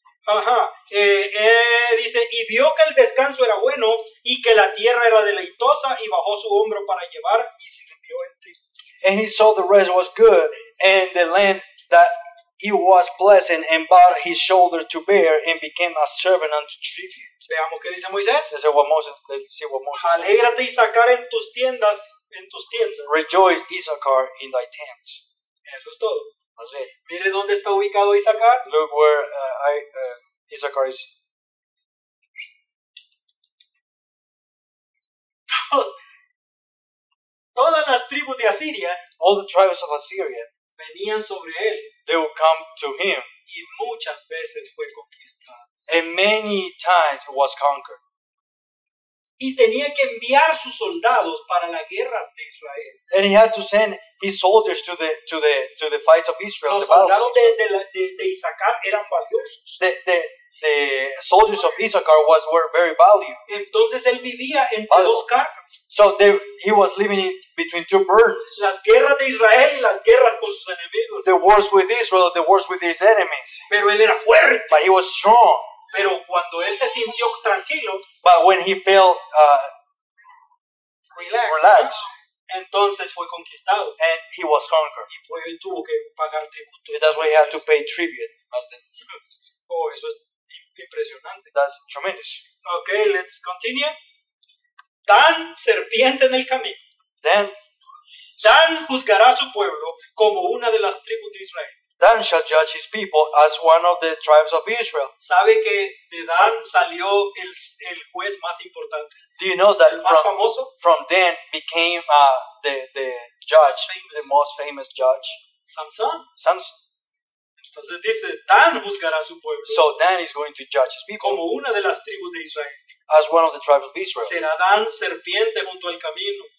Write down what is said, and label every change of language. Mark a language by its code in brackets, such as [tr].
[es] Dice, y vio que el descanso era bueno y que la tierra era deleitosa y bajó su hombro para llevar y se sirvió en tribu. [en] And he saw the rest was good and the land that it was pleasant and bowed his shoulder to bear and became a servant unto tribute. [es] Veamos qué dice Moisés. [en] Let's see what Moses says. [es] Alégrate y sacar en tus tiendas. En tus tiendas. [en] Rejoice, Issachar, in thy tents. [es] Eso es todo. [en] That's it. [es] Mire dónde está ubicado Issachar. [en] Look where Issachar is. [es] Todas las tribus de Asiria. [en] All the tribes of Assyria. [es] Venían sobre él. [en] they will come to him. [es] Y muchas veces fue conquistado. [en] And many times was conquered. [es] Y tenía que enviar sus soldados para las guerras de Israel. [en] And he had to send his soldiers to the fights of Israel. [es] Los soldados de Isaacar eran valiosos. [en] The soldiers of Issachar were very valuable. [es] Entonces él vivía entre dos cargas. [en] So he was living in between two burdens. [es] Las guerras de Israel y las guerras con sus enemigos. [en] The wars with Israel, the wars with his enemies. [es] Pero él era fuerte. [en] But he was strong. [es] Pero cuando él se sintió tranquilo, [en] but when he felt relaxed, [es] entonces fue conquistado. [en] And he was conquered. [es] Y pues él tuvo que pagar tributo. [en] That's why he had to pay tribute. [es] Oh, eso es impresionante. [en] That's tremendous. Okay, let's continue. [es] Tan serpiente en el camino. [en] Then. [es] Dan juzgará a su pueblo como una de las tribus de Israel. [en] Dan shall judge his people as one of the tribes of Israel. [es] ¿Sabe que de Dan salió el juez más importante? [en] Do you know that [es] el más famoso? [en] From Dan became the judge, the most famous judge. [es] Samson. Entonces dice, Dan juzgará a su pueblo. [en] So Dan is going to judge his people. [es] Como una de las tribus de Israel. [en] As one of the tribes of Israel. [es] Será Dan serpiente junto al camino.